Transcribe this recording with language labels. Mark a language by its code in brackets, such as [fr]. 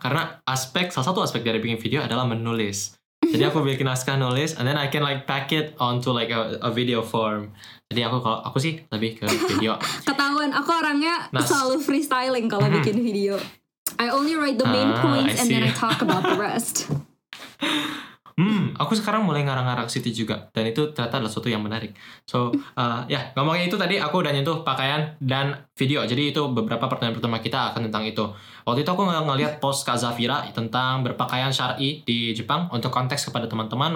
[id] Karena salah satu aspek dari bikin video adalah menulis. Jadi aku bikin naskah nulis, [en] and then I can like pack it onto like a video form. [id] Jadi aku sih lebih ke video. Ketahuan, aku orangnya selalu freestyling kalau bikin video. [en] I only write the main points and then I talk about the rest. [id] Aku sekarang mulai ngarang-ngarang situ juga, dan itu ternyata adalah sesuatu yang menarik. So, ngomongin itu tadi aku udah nyentuh pakaian dan video. Jadi itu beberapa pertanyaan pertama kita akan tentang itu. Waktu itu aku ngeliat post Kak Zafira tentang berpakaian syar'i di Jepang untuk konteks kepada teman-teman.